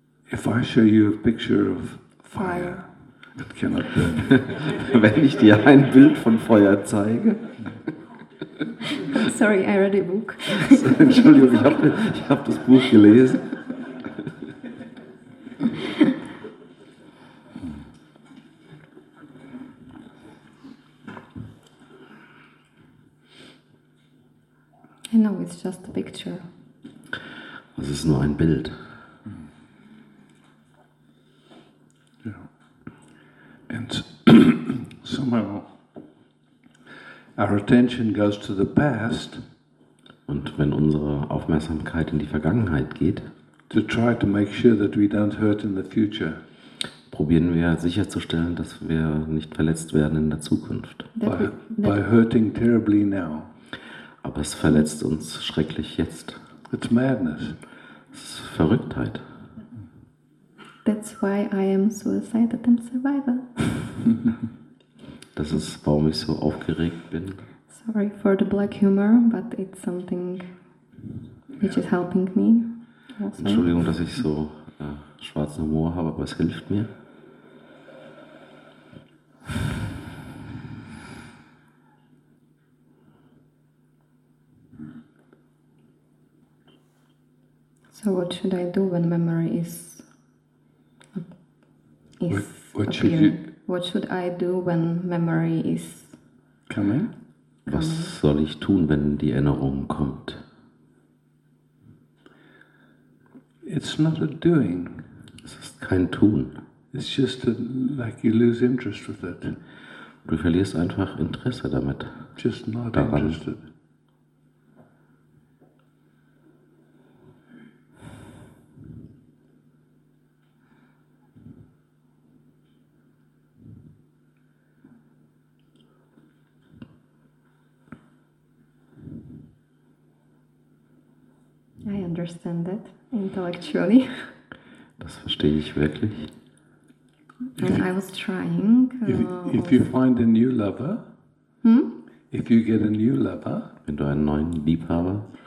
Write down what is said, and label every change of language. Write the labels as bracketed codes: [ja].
[en] If I show you a picture of fire, it cannot burn. [de] Wenn ich dir ein Bild von Feuer zeige. [en] Sorry, I read a book. [de] Entschuldigung, ich hab das Buch gelesen. [en] I know it's just a picture. [de] Es ist nur ein Bild. [en] Yeah. And somehow our attention goes to the past. [de] Und wenn unsere Aufmerksamkeit in die Vergangenheit geht, [en] to try to make sure that we don't hurt in the future. [de] Probieren wir sicherzustellen, dass wir nicht verletzt werden in der Zukunft. [en] By hurting terribly now. [de] Aber es verletzt uns schrecklich jetzt. [en] It's madness. [de] Es ist Verrücktheit. [en] That's why I am suicide attempt survivor. [de] Das ist, warum ich so aufgeregt bin. [en] Sorry for the black humor, but it's something which is helping me. [de] Also. Entschuldigung, dass ich so schwarzen Humor habe, aber es hilft mir. [en] So what should I do when memory is what appearing? What should I do when memory is coming? [de] Was soll ich tun, wenn die Erinnerung kommt? [en] It's not a doing. [de] Es ist kein Tun. [en] It's just a, like you lose interest with it. [de] Du verlierst einfach Interesse damit. [en] Just not [de] daran. [en] Interested. I understand that intellectually. [de] Das verstehe ich wirklich. [en] And I was trying. If you find a new lover, if you get a new lover, [de] wenn du einen neuen Liebhaber,